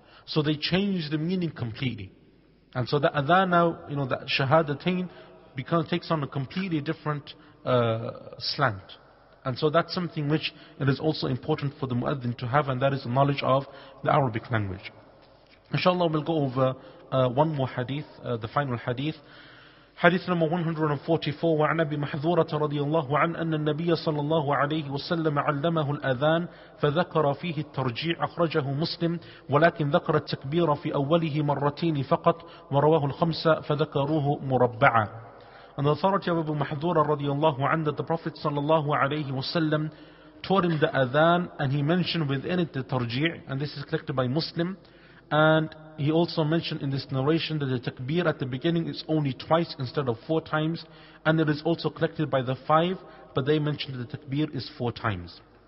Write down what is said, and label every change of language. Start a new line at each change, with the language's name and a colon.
English: So they change the meaning completely. And so the adhan now, you know, that shahadatain takes on a completely different slant. And so that's something which it is also important for the muadhin to have, and that is the knowledge of the Arabic language. Inshallah, we'll go over one more hadith, the final hadith.
Arabic: حديث نمبر 144 وعن أبي محذورة رضي الله عنه أن النبي صلى الله عليه وسلم علمه الأذان فذكر فيه الترجيع أخرجه مسلم ولكن ذكر التكبير في أوله مرتين فقط ورواه الخمسة فذكروه مربعا.
English: And the authority of Abu Mahdura radiallahu anhu that the Prophet sallallahu alayhi wasallam taught him the adhan and he mentioned within it the tarji' and this is collected by Muslim and he also mentioned in this narration that the takbir at the beginning is only twice instead of four times and it is also collected by the five but they mentioned that the takbir is four times.